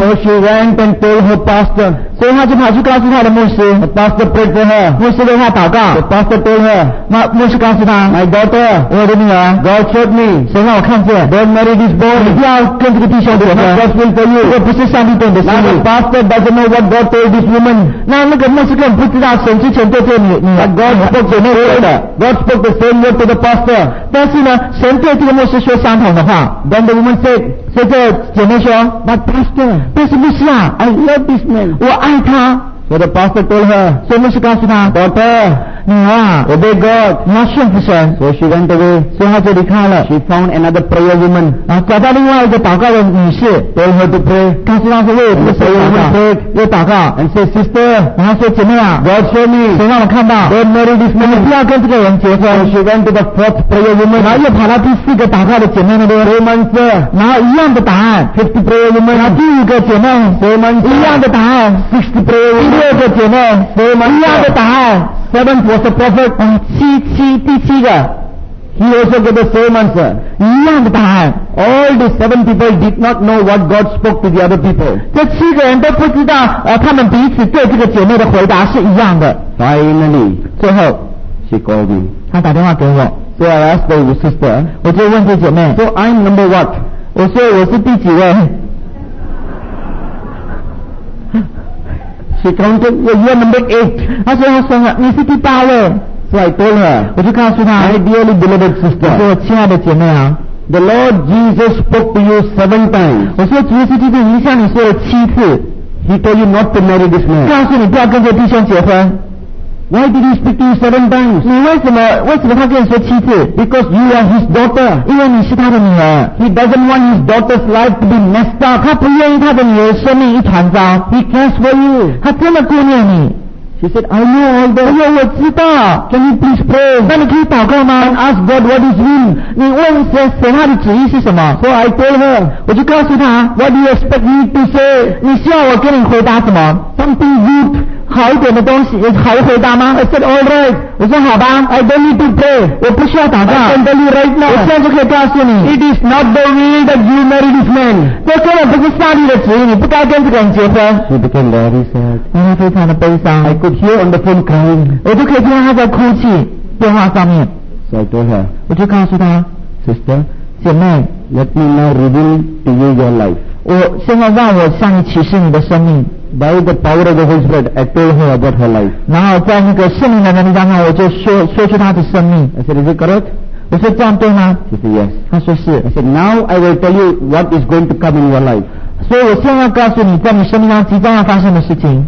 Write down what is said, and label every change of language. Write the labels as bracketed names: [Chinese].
[English] So she went and told her pastor. [Chinese] 所以他就跑去告诉他的牧师。 [English] The pastor prayed for her. [Chinese] 牧师为他祷告。 [English] The pastor told her. [Chinese] 那牧师告诉他。 [English] My daughter. [Chinese] 我的女儿。 [English] God showed me. [Chinese] 神让我看见。 [English] Don't marry this boy. [Chinese] 你不要跟这个弟兄结婚。 [English] God's will for you. [Chinese] 这不是上帝对你的心意。 [English] Now the pastor doesn't know what God told this woman. [Chinese] 那个牧师根本不知道神之前对这个女儿。 [English] But God spoke the same word. God spoke the same word to the pastor. [Chinese] 但是呢，神对这个牧师说相同的话。 [English] Then the woman said. [Chinese] 所以这个姐妹说 [English] But pastor [Chinese] 但是牧师啊 [English] I love this man [Chinese] 我爱他 [English] So the pastor told her [Chinese] 所以牧师告诉他 [English] Daughter [Chinese] 女儿 [English] Obey God [Chinese] 你要顺服神 [English] So she went away [Chinese] 所以她就离开了 [English] She found another prayer woman [Chinese] 找到另外一个祷告的女士 [English] Told her to pray [Chinese] 告诉她说为我们祷告为祷告 [English] And say sister [Chinese] 然后说姐妹啊 [English] God show me [Chinese] 谁让我看到 [English] Don't marry this man [Chinese] 你不要跟这个人结婚 [English] So she went to the fourth prayer woman [Chinese] 然后又跑到第四个祷告的姐妹那边 [English] Three months [Chinese] 然后一样的答案 [English] Fifth prayer woman [Chinese] 然后第五个姐妹 [English] Three months [Chinese] 一样的答案 [English] Sixth prayer woman [Chinese] 第六个姐妹 [English] Three months [Chinese] 一样的答案 [English] Seventh was a prophet. [Chinese] 第七个 [English] He also gave the same answer. [Chinese] 一样的答案 [English] All the seven people did not know what God spoke to the other people. [Chinese] 这七个人都不知道他们彼此对这个姐妹的回答是一样的 [English] Finally, [Chinese] 最后 [English] she called me. [Chinese] 她打电话给我 [English] So I asked the sister. [Chinese] 我就问这姐妹 [English] So I'm number what? [Chinese] 我说我是第几位 [English] She counted, you're number eight. [Chinese] 她说她说了你是第八位。 [English] So I told her, [Chinese] 我就告诉她 [English] My dearly beloved sister, [Chinese] 我说我亲爱的姐妹啊 [English] The Lord Jesus spoke to you seven times. [Chinese] 我说主耶稣基督已经向你说了七次。 [English] He told you not to marry this man. [Chinese] 告诉你不要跟这弟兄结婚。 [English] Why did he speak to you seven times? [Chinese] 你为什么他跟你说七次 [English] Because you are his daughter. [Chinese] 因为你是他的女儿。 [English] He doesn't want his daughter's life to be messed up. [Chinese] 他不愿意他的女儿生命一团糟。 [English] He cares for you. [Chinese] 他这么顾念你。 [English] She said, I know all that. [Chinese] 哎呦，我知道。 [English] Can you please pray? [Chinese] 那你可以祷告吗 [English] ？And ask God what is will. [Chinese] 你问神他的旨意是什么 [English] ？So I told her. [Chinese] 我就告诉他。 [English] What do you expect me to say? [Chinese] 你希望我跟你回答什么 [English] ？Something good. [Chinese] 好一点的东西好回答吗 [English] I said all right [Chinese] 我说好吧 [English] I don't need to pray [Chinese] 我不需要祷告 [English] I can tell you right now [Chinese] 我现在就可以告诉你 [English] It is not the will that you marry this man [Chinese] 这根本不是上帝的旨意你不该跟这个人结婚 [English] She became very sad [Chinese] 因为非常的悲伤 [English] I could hear on the phone crying [Chinese] 我就可以听到他在哭泣电话上面 [English] So I told her [Chinese] 我就告诉他 [English] Sister [Chinese] 姐妹 [English] Let me now reveal to you your life [Chinese] 我现在让我向你启示你的生命 [English] By the power of the Holy Spirit, I told her about her life. [Chinese] 然后在那个圣灵的能力当中，我就说出她的生命。 [English] I said, "Is it correct?" [Chinese] 我说这样对吗 [English] ？She said, "Yes." [Chinese] 她说是。 [English] I said, "Now I will tell you what is going to come in your life." [Chinese] 所以我现在告诉你，在你生命当中即将要发生的事情。